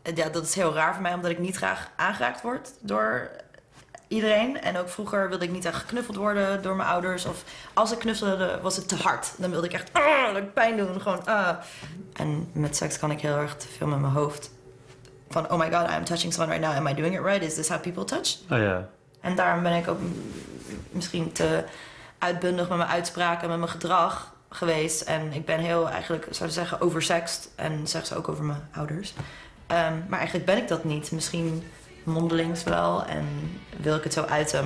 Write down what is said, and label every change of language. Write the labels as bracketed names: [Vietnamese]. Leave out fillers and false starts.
[Dutch] Dat is heel raar voor mij, omdat ik niet graag aangeraakt word door iedereen. En ook vroeger wilde ik niet echt geknuffeld worden door mijn ouders. Of als ik knuffelde, was het te hard. Dan wilde ik echt pijn doen. En met seks kan ik heel erg te veel met mijn hoofd. [English] Van, oh my god, I'm touching someone right now. Am I doing it right? Is this how people touch? Oh ja. Yeah. [Dutch] En daarom ben ik ook misschien te uitbundig met mijn uitspraken, met mijn gedrag geweest. En ik ben heel eigenlijk, zou je zeggen, oversext. En zegt ze ook over mijn ouders. Maar eigenlijk ben ik dat niet. Misschien mondelings wel. En wil ik het zo uiten.